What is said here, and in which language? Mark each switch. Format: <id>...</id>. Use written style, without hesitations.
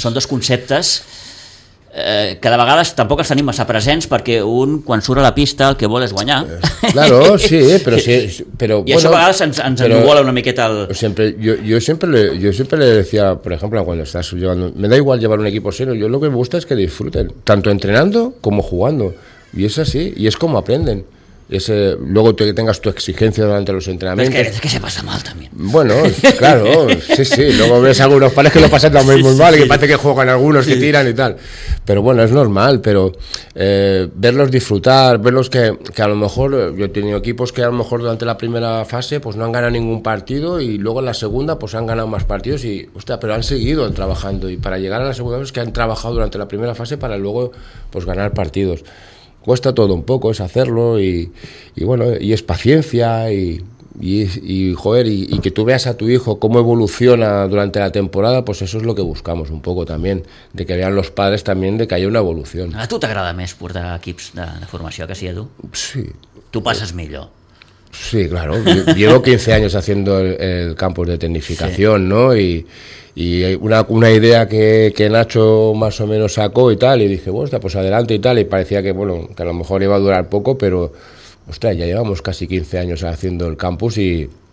<ca>Són dos conceptes que de vegades tampoc els tenim massa presents perquè un quan surt a la pista el que vol és guanyar. Claro, sí, però sí, però i bueno, això a vegades ens ennubola una miqueta el...</ca> <es>Yo siempre le decía, por ejemplo, cuando estás llevando, me da igual llevar un equipo serio, yo lo que me gusta es que disfruten, tanto entrenando como jugando. Y es así, y es como aprenden. Luego que tengas tu exigencia durante los entrenamientos. Pero es que se pasa mal también. Bueno, claro, sí, sí. Luego ves algunos pares que lo pasan también muy mal, sí. Y que parece que juegan algunos, sí. Que tiran y tal. Pero bueno, es normal, pero verlos disfrutar, verlos que a lo mejor, yo he tenido equipos que a lo mejor durante la primera fase pues no han ganado ningún partido y luego en la segunda pues han ganado más partidos y, hostia, pero han seguido trabajando y para llegar a la segunda es que han trabajado durante la primera fase para luego pues ganar partidos. Cuesta todo un poco, es hacerlo y bueno, y es paciencia y joder, y que tú veas a tu hijo cómo evoluciona durante la temporada, pues eso es lo que buscamos un poco también, de que vean los padres también de que haya una evolución.</es> <ca>A tu t'agrada més portar equips de formació que si a tu? Sí. Tu passes millor. Sí, claro.</ca> <es>Llevo 15 años haciendo el campus de tecnificación, sí. ¿No? Y una idea que Nacho más o menos sacó y tal, y dije, hostia, pues adelante y tal, y parecía que, bueno, que a lo mejor iba a durar poco, pero, ostras, ya llevamos casi 15 años haciendo el campus y</es>